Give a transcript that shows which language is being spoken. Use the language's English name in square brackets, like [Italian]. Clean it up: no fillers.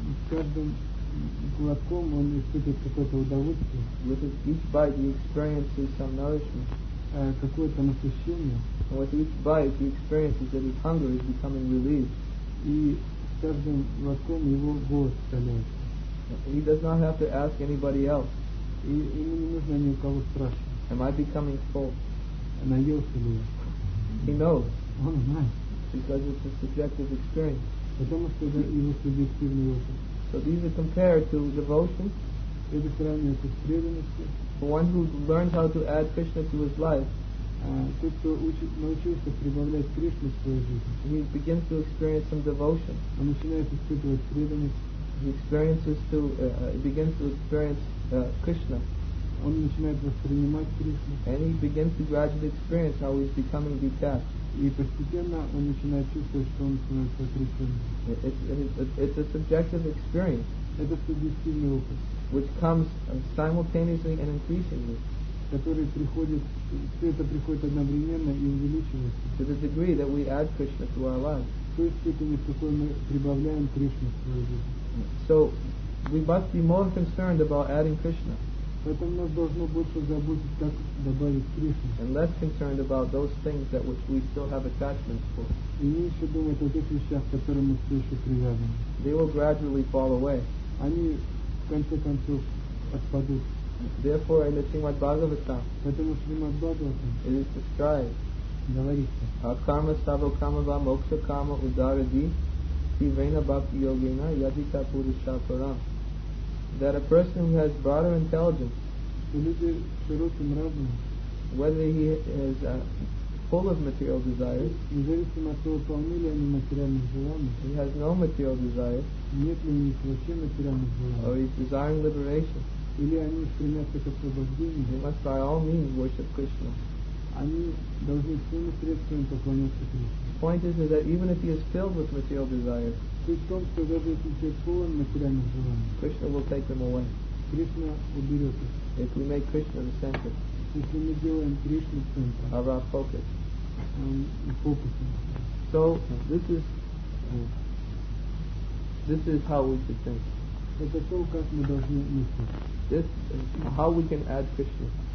[Russian] Каждым глотком он испытывает какое-то удовольствие. [English] With each bite, he experiences some nourishment. [Russian] Какое-то насыщение. [English] And with each bite, he experiences that his hunger is becoming relieved. [Russian] И каждым глотком его голод становится. [English] He does not have to ask anybody else. [Russian] И ему не нужно ни у кого спрашивать. [English] Am I becoming full? [Russian] Наелся ли я? [English] He knows. [Russian] Он знает. [English] Because it's a subjective experience. [Russian] Потому что это его субъективный опыт. [English] So these are compared to devotion. [Russian] Это сравнивается с преданностью. [English] For one who learns how to add Krishna to his life. [Russian] Тот, кто научился прибавлять Кришну в свою жизнь. [English] He begins to experience some devotion. [Russian] Он начинает испытывать преданность. [English] He experiences to, begins to experience Krishna. [Russian] Он начинает воспринимать Кришну. [English] And he begins to gradually experience how he's becoming detached. [Russian] И постепенно он начинает чувствовать, что он становится отрешенным. [English] It's a subjective experience. [Russian] Это субъективный опыт. [English] Which comes simultaneously and increasingly. [Russian] Который приходит, все это приходит одновременно и увеличивается. [English] To the degree that we add Krishna to our lives. [Russian] То есть степени, в какой мы прибавляем Кришну в свою жизнь. [English] So, we must be more concerned about adding Krishna. [Russian] Поэтому нас должно больше заботиться, как добавить Кришну. [English] And less concerned about those things that which we still have attachments for. [Russian] И меньше думать о тех вещах, к которым мы все еще привязаны. [English] They will gradually fall away. [Russian] Они в конце концов отпадут. [English] Therefore, in the Srimad Bhagavatam, [Russian] поэтому в Srimad Bhagavatam, [English] it is described, [Russian] говорится, [Sanskrit] Акарма става кама ва мокша кама удара ди, си вейна бхакти йогина ядита пуриша парам. [English] That a person who has broader intelligence, whether he is full of material desires, he has no material desires, or he's desiring liberation, he must by all means worship Krishna. The point is that even if he is filled with material desires, Krishna will take them away. [Russian] Krishna уберет их. [English] If we make Krishna the center, [Russian] если мы делаем Кришну центром, [English] of our focus, focusing. So this is how we should think. [Russian] Это то, как мы должны мыслить. [English] This how we can add Krishna.